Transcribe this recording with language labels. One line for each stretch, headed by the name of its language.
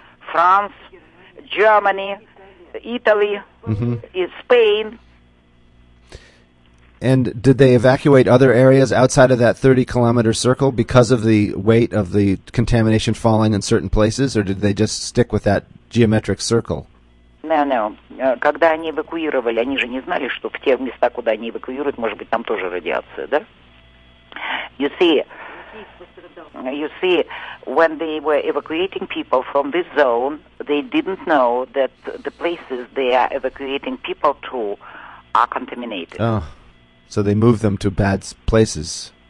English: France, Germany, Italy, Spain. And did they evacuate other areas outside of that 30-kilometer circle because of the weight of the contamination falling in certain places, or did they just stick with that geometric circle? No.
Russian: Когда они эвакуировали, они же не знали, что в те места, куда они эвакуируют, может быть, там тоже радиация, да?
English: You see, when they were evacuating people from this zone, they didn't know that the places they are evacuating people to are contaminated. Oh. So they moved them to bad places.